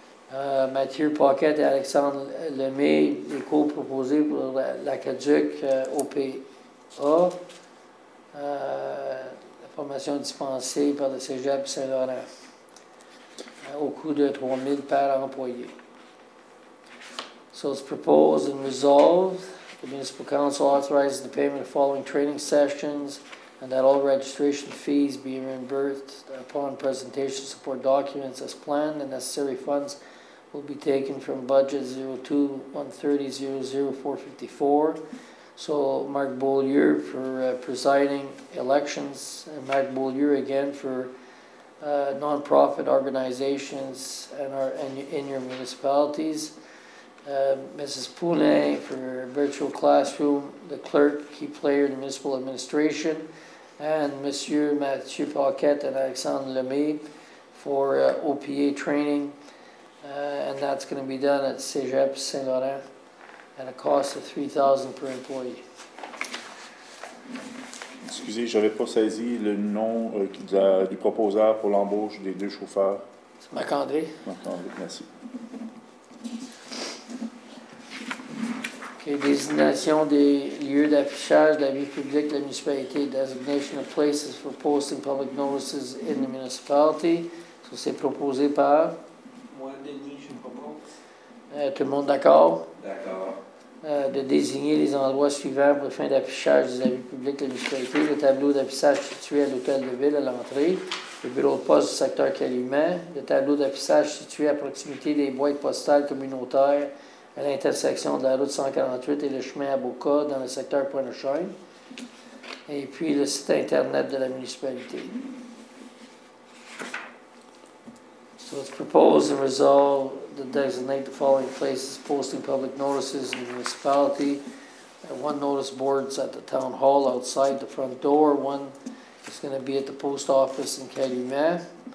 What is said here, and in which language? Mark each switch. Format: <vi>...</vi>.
<fr>Mathieu Paquette et Alexandre Lemay, les cours proposés pour la CADUC OPA. La formation dispensée par le Cégep Saint-Laurent au coût de 3 000 par employé.</fr> <en>So it's proposed and resolved. The Municipal Council authorizes the payment of following training sessions and that all registration fees be reimbursed upon presentation support documents as planned. The necessary funds will be taken from budget 02-130-00454. So Marc Beaulieu for presiding elections, and Marc Beaulieu again for non-profit organizations and our in your municipalities. Mrs. Poulin for virtual classroom, the clerk, key player in the municipal administration, and Monsieur Mathieu Paquette and Alexandre Lemay for OPA training, and that's going to be done at Cégep Saint-Laurent at a cost of $3,000 per employee.</en> <fr>Excusez, je n'avais pas saisi le nom du proposeur pour l'embauche des deux chauffeurs. C'est Marc-André. Marc-André, merci. Okay, désignation des lieux d'affichage de la vie publique de la municipalité,</fr> <en>designation of places for posting public notices in the municipality.</en> <fr>Ça, c'est proposé par? Moi, Denis, je propose. Tout le monde d'accord? D'accord. De désigner les endroits suivants pour fin d'affichage des avis publics de la municipalité, le tableau d'affichage situé à l'hôtel de ville à l'entrée, le bureau de poste du secteur Calumet, le tableau d'affichage situé à proximité des boîtes postales communautaires à l'intersection de la route 148 et le chemin à Boca dans le secteur Pointe-aux-Chênes, et puis le site Internet de la municipalité.</fr> <en>So it's proposed and resolved to designate the following places posting public notices in the municipality. One notice board's at the town hall outside the front door. One is going to be at the post office in Calumet.</en>